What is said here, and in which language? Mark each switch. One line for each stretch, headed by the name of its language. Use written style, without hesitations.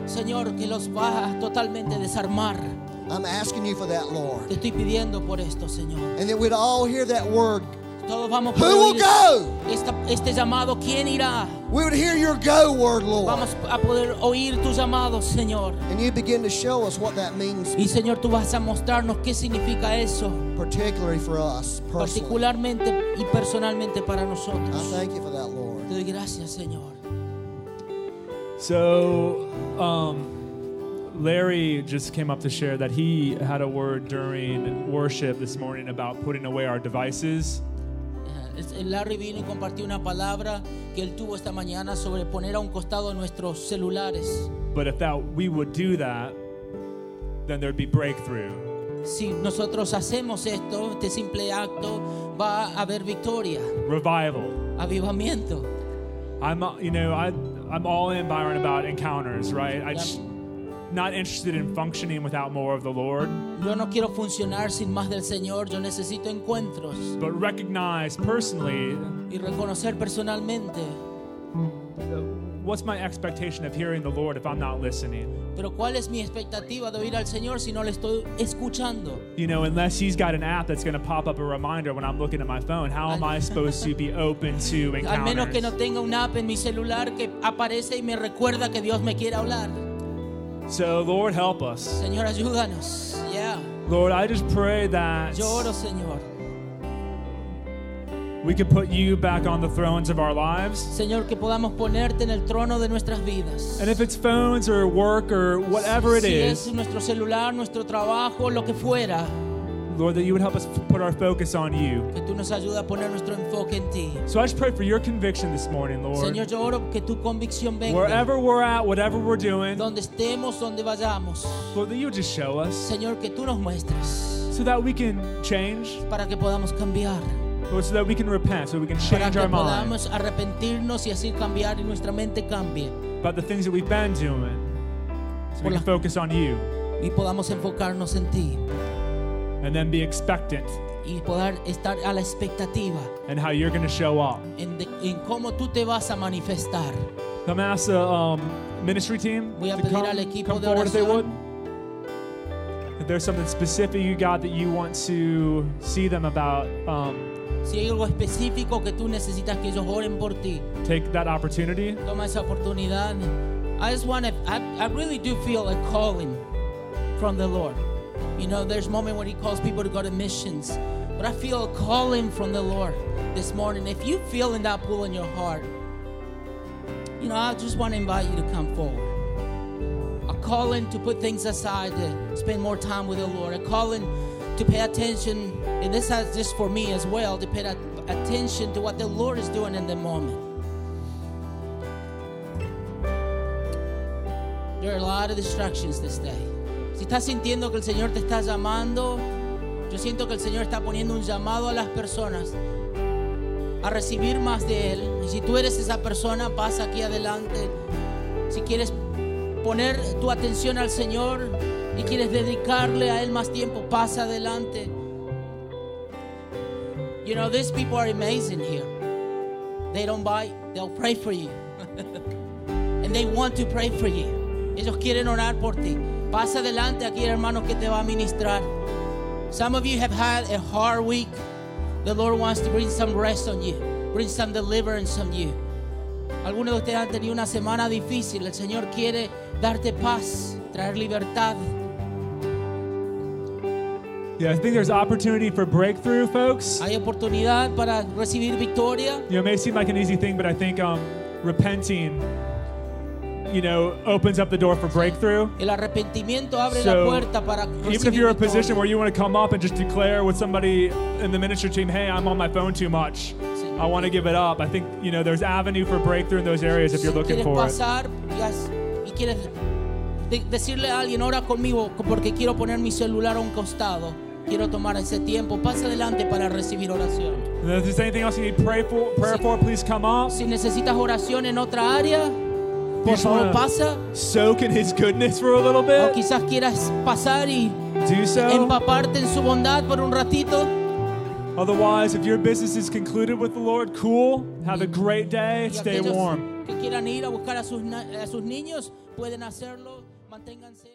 Spanish: Señor, que los va a totalmente desarmar.
English: I'm asking you for that, Lord.
Spanish: Te estoy pidiendo por esto, Señor.
English: And that we'd all hear that word.
Spanish: Todos vamos
English: Who will go?
Spanish: Este llamado, ¿quién irá?
English: We would hear your go word, Lord.
Spanish: Vamos a poder oír tu llamado, Señor.
English: And you begin to show us what that means.
Spanish: Y Señor, tú vas a mostrarnos qué significa eso.
English: Particularly for us, personally.
Spanish: Particularmente y personalmente para nosotros.
English: I thank you for that, Lord.
Spanish: Te doy gracias, Señor.
English: So, Larry just came up to share that he had a word during worship this morning about putting away our devices.
Spanish: Larry vino y compartió una palabra que él tuvo esta mañana sobre poner a un costado nuestros celulares.
English: But if that we would do that, then there'd be breakthrough.
Spanish: Si nosotros hacemos esto, este simple acto, va a haber victoria.
English: Revival.
Spanish: Avivamiento.
English: I'm all in, Byron, about encounters, right? I'm just not interested in functioning without more of the Lord.
Spanish: Yo no quiero funcionar sin más del Señor. Yo necesito encuentros.
English: But recognize personally.
Spanish: Y reconocer personalmente.
English: What's my expectation of hearing the Lord if I'm not listening?
Spanish: Pero ¿cuál es mi expectativa de oír al Señor si no le estoy escuchando?
English: You know, unless he's got an app that's going to pop up a reminder when I'm looking at my phone, how am I supposed to be open to encounters?
Spanish: Al menos que no tenga una app en mi celular que aparece y me recuerda que Dios me quiere hablar.
English: So, Lord, help us.
Spanish: Señor, ayúdanos. Yeah.
English: Lord, I just pray that
Spanish: yo oro, Señor.
English: We could put you back on the thrones of our lives.
Spanish: Señor, que podamos ponerte en el trono de nuestras vidas.
English: And if it's phones or work or whatever it
Spanish: si
English: is,
Spanish: es nuestro celular, nuestro trabajo, lo que fuera,
English: Lord, that you would help us put our focus on you.
Spanish: Que tú nos ayudes a poner nuestro enfoque en ti.
English: So I just pray for your conviction this morning, Lord.
Spanish: Señor, yo oro que tu convicción venga.
English: Wherever we're at, whatever we're doing,
Spanish: donde estemos, donde vayamos,
English: Lord, that you just show us.
Spanish: Señor, que tú nos muestres.
English: So that we can change.
Spanish: Para que podamos cambiar.
English: Lord, so that we can repent, so we can change
Spanish: para que
English: our
Spanish: podamos
English: mind
Spanish: arrepentirnos y así cambiar y nuestra mente cambie.
English: About the things that we've been doing, so we can focus on you.
Spanish: Y podamos enfocarnos en ti.
English: And then be expectant.
Spanish: Y poder estar a la expectativa.
English: And how you're going to show up.
Spanish: En cómo tú te vas a manifestar.
English: I'm going to ask the ministry team
Spanish: voy a
English: to
Spanish: pedir al equipo
English: come
Spanish: de
English: forward If they would. If there's something specific you got that you want to see them about.
Spanish: Si hay algo específico que tú necesitas que ellos oren por ti.
English: Take that opportunity.
Spanish: Toma esa oportunidad.
English: I really do feel a calling from the Lord. You know, there's moments when he calls people to go to missions. But I feel a calling from the Lord this morning. If you feel in that pull in your heart, you know, I just want to invite you to come forward. A calling to put things aside, to spend more time with the Lord. A calling to pay attention, and this is just for me as well, to pay attention to what the Lord is doing in the moment. There are a lot of distractions this day.
Spanish: Si estás sintiendo que el Señor te está llamando, yo siento que el Señor está poniendo un llamado a las personas a recibir más de Él. Y si tú eres esa persona, pasa aquí adelante. Si quieres poner tu atención al Señor y quieres dedicarle a Él más tiempo, pasa adelante.
English: You know, these people are amazing here. They don't buy, they'll pray for you. And they want to pray for you.
Spanish: Ellos quieren orar por ti. Pasa adelante aquí, hermano, que te va a ministrar.
English: Some of you have had a hard week. The Lord wants to bring some rest on you, bring some deliverance on you.
Spanish: Algunos de ustedes han tenido una semana difícil. El Señor quiere darte paz, traer libertad.
English: Yeah, I think there's opportunity for breakthrough, folks.
Spanish: Hay oportunidad para recibir victoria.
English: You know, it may seem like an easy thing, but I think repenting, you know, opens up the door for breakthrough.
Spanish: El arrepentimiento abre la puerta para recibir.
English: Even if you're in a position where you want to come up and just declare with somebody in the ministry team, hey, I'm on my phone too much, I want to give it up. I think, you know, there's avenue for breakthrough in those areas if you're looking for
Spanish: pasar,
English: it.
Spanish: Yes, y quieres decirle a alguien, ora conmigo porque quiero poner mi celular a un costado. Quiero tomar ese tiempo. Pasa adelante para recibir oración.
English: And if there's anything else you need prayer for, please come up.
Spanish: Si necesitas oración en otra área, por favor, pasa.
English: Soak in His goodness for a little bit.
Spanish: O quizás quieras pasar y
English: do so.
Spanish: Empaparte en su bondad por un ratito.
English: Otherwise, if your business is concluded with the Lord, cool. Have a great day. Stay warm.
Spanish: Que quieran ir a buscar a sus niños, pueden hacerlo. Manténganse.